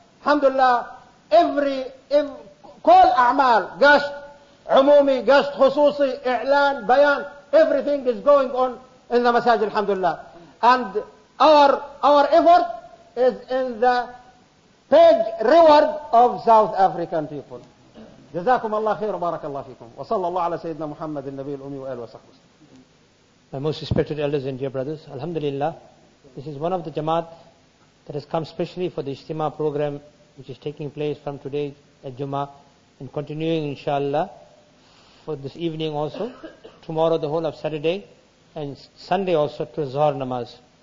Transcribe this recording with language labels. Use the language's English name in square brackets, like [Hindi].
[English] Alhamdulillah, [Arabic] كل أعمال, قشت عمومي, قشت خصوصي, إعلان, بيان, [English] everything is going on in the masajid, alhamdulillah. And our effort is in the paid reward of South African people. [Arabic] جزاكم الله خير وبارك الله فيكم. وصلى الله على سيدنا محمد النبي الأمي وآله وصحبه وسلم. [English] My most respected elders and dear brothers, alhamdulillah, this is one of the jamaat that has come specially for the Ijtima program, which is taking place from today at Jummah and continuing inshallah for this evening also, tomorrow the whole of Saturday, and Sunday also to Zuhr namaz.